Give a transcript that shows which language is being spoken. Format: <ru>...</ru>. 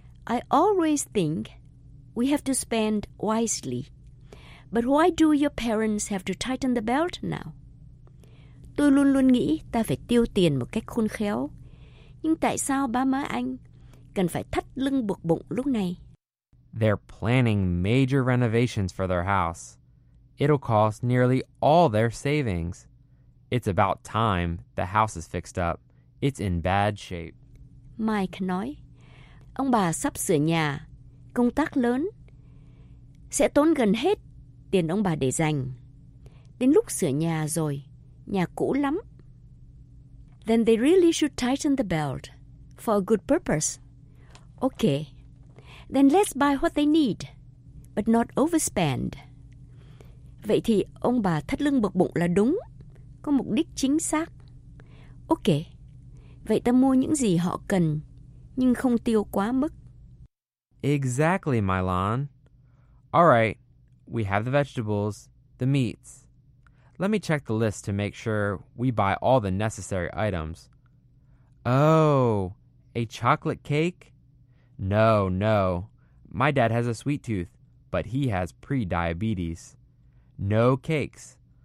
<en>I always think we have to spend wisely. But why do your parents have to tighten the belt now?</en> <vi>Tôi luôn luôn nghĩ ta phải tiêu tiền một cách khôn khéo. Nhưng tại sao ba má anh cần phải thắt lưng buộc bụng lúc này?</vi> <en>They're planning major renovations for their house. It'll cost nearly all their savings. It's about time the house is fixed up. It's in bad shape.</en> <vi>Mike nói, ông bà sắp sửa nhà, công tác lớn, sẽ tốn gần hết tiền ông bà để dành. Đến lúc sửa nhà rồi, nhà cũ lắm.</vi> <en>Then they really should tighten the belt for a good purpose. Okay, then let's buy what they need, but not overspend.</en> <vi>Vậy thì ông bà thắt lưng buộc bụng là đúng, có mục đích chính xác. Okay. Vậy ta mua những gì họ cần, nhưng không tiêu quá mức.</vi> <en>Exactly, Mylon. All right, we have the vegetables, the meats. Let me check the list to make sure we buy all the necessary items. Oh, a chocolate cake? No, no. My dad has a sweet tooth, but he has pre-diabetes. No cakes.</en>